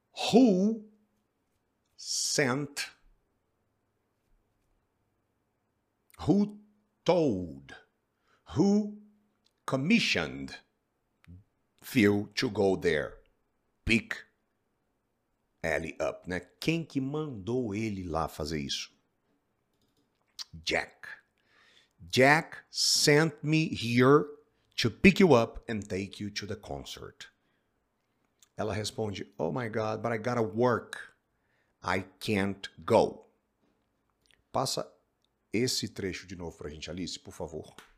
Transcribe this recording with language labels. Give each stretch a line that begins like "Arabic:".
English: Who sent... Who told, who commissioned Phil to go there, pick Allie up, né?
Portuguese: Quem que mandou ele lá fazer isso? Jack.
English: Jack sent me here to pick you up and take you to the concert.
Portuguese: Ela responde,
English: oh my God, but I gotta work. I can't go.
Portuguese: Passa esse trecho de novo pra gente, Alice, por favor.